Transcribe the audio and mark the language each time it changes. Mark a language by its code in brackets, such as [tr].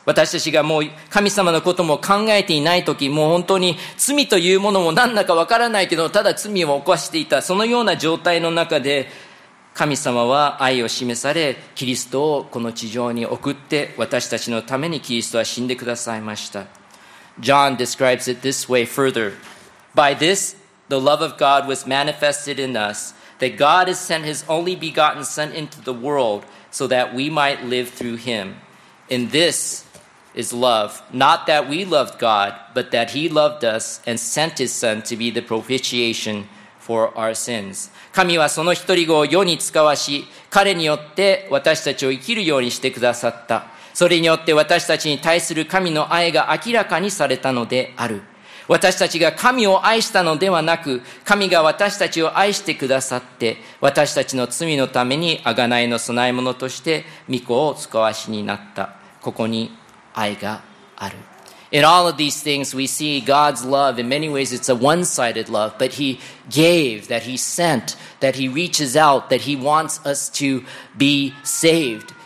[ja] 私たちがもう神様のことも考えていないとき、もう本当に罪というものも何だかわからないけど、ただ罪を犯していた、そのような状態の中で、神様は愛を示され、キリストをこの地上に送って、私たちのためにキリストは死んでくださいました。 [en] John describes it this way further. By this,The love of God was manifested in us, that God has sent His only begotten Son into the world so that we might live through Him. And this is love, not that we loved God, but that He loved us and sent His Son to be the propitiation for our sins. [ja] 神はその一人子を世に遣わし、彼によって私たちを生きるようにしてくださった。それによって私たちに対する神の愛が明らかにされたのである。私たちが神を愛したのではなく、神が私たちを愛してくださって、私たちの罪のために贖いの供え物として御子を遣わしになった。ここに愛がある。 [en] In all of these things we see God's love. In many ways it's a one-sided love, but He gave, that He sent, that He reaches out, that He wants us to be saved.